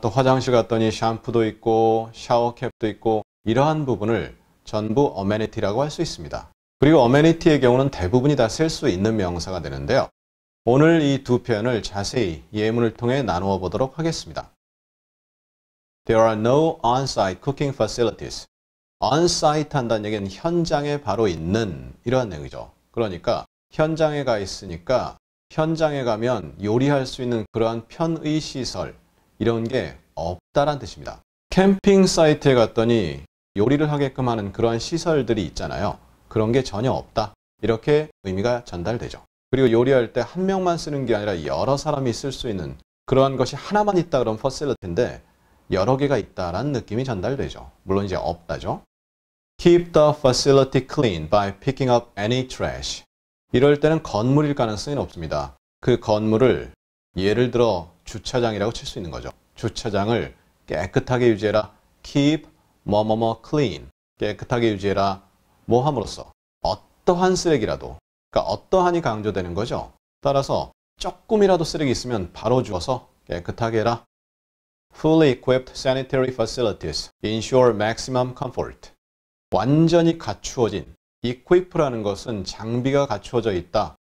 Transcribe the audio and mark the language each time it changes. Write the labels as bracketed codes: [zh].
[ko] 또 화장실 갔더니 샴푸도 있고 샤워캡도 있고 이러한 부분을 전부 amenity라고 할 수 있습니다. 그리고 어메니티의 경우는 대부분이 다 쓸 수 있는 명사가 되는데요. 오늘 이 두 표현을 자세히 예문을 통해 나누어 보도록 하겠습니다. [en] There are no on-site cooking facilities. [ko] On-site 한다는 얘기는 현장에 바로 있는 이러한 얘기죠. 그러니까 현장에 가 있으니까 현장에 가면 요리할 수 있는 그러한 편의 시설 이런 게 없다라는 뜻입니다. 캠핑 사이트에 갔더니 요리를 하게끔 하는 그러한 시설들이 있잖아요. 그런 게 전혀 없다. 이렇게 의미가 전달되죠. 그리고 요리할 때 한 명만 쓰는 게 아니라 여러 사람이 쓸 수 있는 그러한 것이 하나만 있다 그러면 facility인데 여러 개가 있다라는 느낌이 전달되죠. 물론 이제 없다죠. [en] Keep the facility clean by picking up any trash. [ko] 이럴 때는 건물일 가능성이 높습니다. 그 건물을 예를 들어 주차장이라고 칠 수 있는 거죠. 주차장을 깨끗하게 유지해라. [en] Keep [ko] 뭐뭐뭐 [en] clean. [ko] 깨끗하게 유지해라. 뭐 함으로써 어떠한 쓰레기라도, 그러니까 어떠한이 강조되는 거죠. 따라서 조금이라도 쓰레기 있으면 바로 주워서 깨끗하게 해라. [en] Fully equipped sanitary facilities ensure maximum comfort. [ko] 완전히 갖추어진, equip라는 것은 장비가 갖추어져 있다.